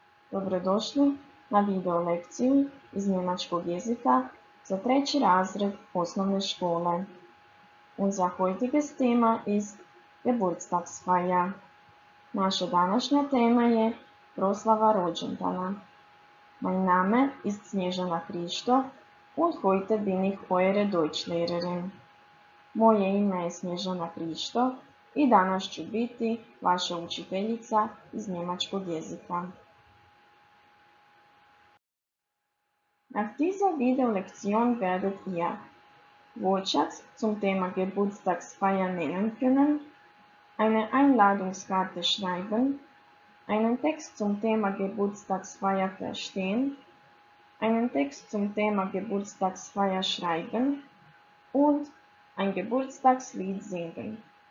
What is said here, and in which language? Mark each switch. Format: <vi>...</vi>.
<hr>Dobrodošli na videolekciju iz njemačkog jezika za treći razred osnovne škole.</hr> <de>Unser heutiges Thema ist Geburtstagsfeier.</de> <hr>Naša današnja tema je proslava rođendana.</hr> <de>Mein Name ist Snježana Krištof und heute bin ich eure Deutschlehrerin.</de> <hr>Moje ime je Snježana Krištof i danas ću biti vaša učiteljica iz njemačkog jezika.</hr> <de>Nach dieser Videolektion werdet ihr Wortschatz zum Thema Geburtstagsfeier nehmen können, eine Einladungskarte schreiben, einen Text zum Thema Geburtstagsfeier verstehen, einen Text zum Thema Geburtstagsfeier schreiben und ein Geburtstagslied singen.</de>